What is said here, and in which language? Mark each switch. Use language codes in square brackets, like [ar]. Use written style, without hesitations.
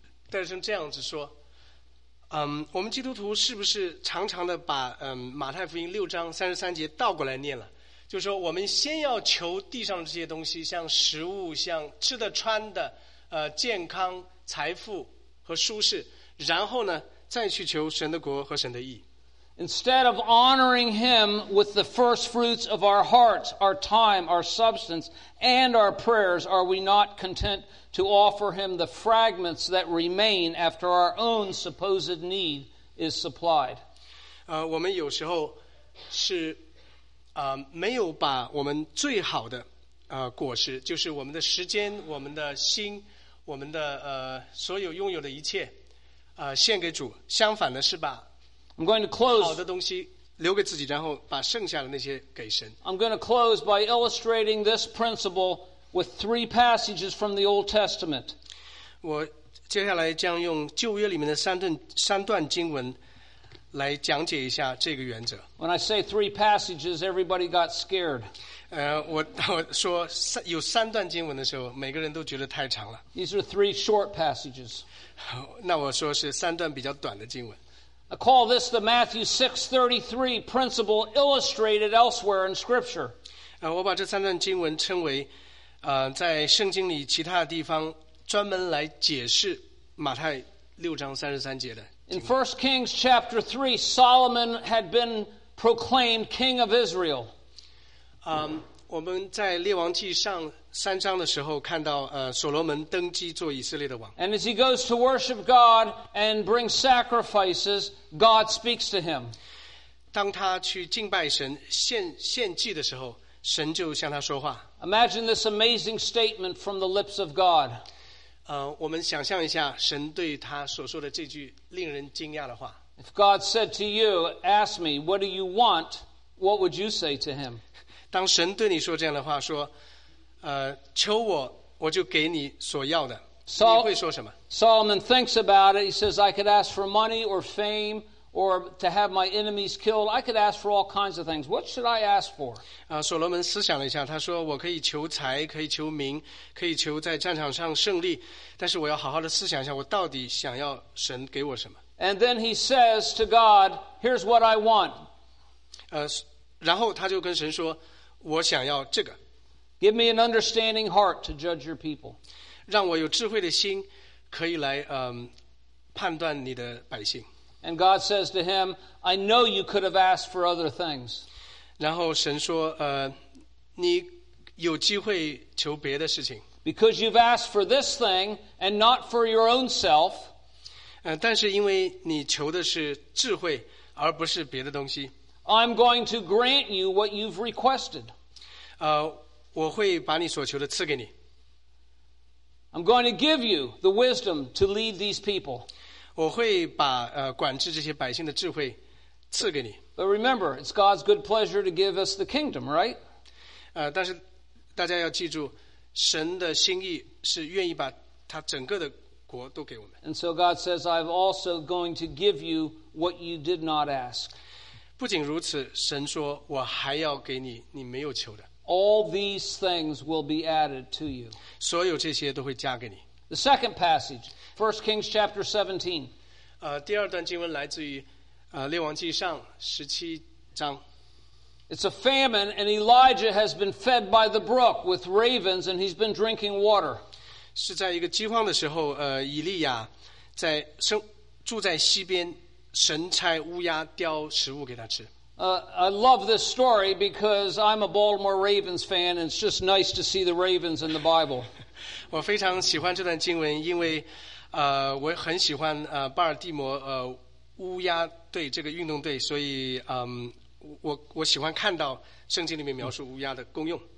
[zh] 戴德生这样子说，我们基督徒是不是常常的把马太福音6:33倒过来念了？就是说我们先要求地上的这些东西，像食物，像吃的穿的，健康财富和舒适，然后呢再去求神的国和神的义。 [en] Instead of honoring him with the first fruits of our hearts, our time, our substance, and our prayers, are we not content to offer him the fragments that remain after our own supposed need is supplied? [zh] 我们有时候是没有把我们最好的果实，就是我们的时间，我们的心，我们的所有拥有的一切献给主，相反的是把好的东西留给自己，然后把剩下的那些给神。 [en] I'm going to close by illustrating this principle with three passages from the Old Testament. [zh] 我接下来将用旧约里面的三段经文来讲解一下这个原则。 [en] When I say three passages, everybody got scared. [zh] 我说有三段经文的时候，每个人都觉得太长了。 [en] These are three short passages. [zh] 那我说是三段比较短的经文。 [en] I call this the Matthew 6:33 principle illustrated elsewhere in Scripture. [zh] 我把这三段经文称为在圣经里其他地方专门来解释马太6:33的。 [en] In 1 Kings chapter 3, Solomon had been proclaimed king of Israel. [zh] 我们在列王记上三章的时候看到所罗门登基做以色列的王。 [en] And as he goes to worship God and bring sacrifices, God speaks to him. [zh] 当他去敬拜神献祭的时候，神就向他说话。 [en] Imagine this amazing statement from the lips of God. [zh] 我们想象一下神对他所说的这句令人惊讶的话。 [en] If God said to you, ask me, what do you want? What would you say to him? [zh] 当神对你说这样的话，说求我，我就给你所要的，你会说什么？ [en] Solomon thinks about it. He says, I could ask for money or fame or to have my enemies killed. I could ask for all kinds of things. What should I ask for? [zh] 所罗门思想了一下，他说我可以求财，可以求名，可以求在战场上胜利，但是我要好好的思想一下，我到底想要神给我什么。 [en] And then he says to God, here's what I want. [zh] 然后他就跟神说，我想要这个。 [en] Give me an understanding heart to judge your people. [zh] 让我有智慧的心可以来判断你的百姓。 [en] And God says to him, I know you could have asked for other things. [zh] 然后神说，你有机会求别的事情。 [en] Because you've asked for this thing and not for your own self. [zh] 但是因为你求的是智慧而不是别的东西。 [en] I'm going to grant you what you've requested. [zh] 我会把你所求的赐给你。 [en] I'm going to give you the wisdom to lead these people. [zh] 我会把管制这些百姓的智慧赐给你。 [en] But remember, it's God's good pleasure to give us the kingdom, right? [zh] 但是大家要记住，神的心意是愿意把他整个的国都给我们。 [en] And so God says, I'm also going to give you what you did not ask. [zh] 不仅如此，神说我还要给你你没有求的。 [en] All these things will be added to you. [zh] 所有这些都会加给你。 [en] The second passage, 1 Kings chapter 17. [zh] 第二段经文来自于列王记上17章。 [en] It's a famine and Elijah has been fed by the brook with ravens and he's been drinking water. [zh] 是在一个饥荒的时候，以利亚在住在溪边，神差乌鸦叼食物给他吃。 [en] I love this story because I'm a Baltimore Ravens fan and it's just nice to see the Ravens in the Bible. [zh] 我非常喜欢这段经文，因为我很喜欢巴尔的摩乌鸦队这个运动队，所以我喜欢看到圣经里面描述乌鸦的功用。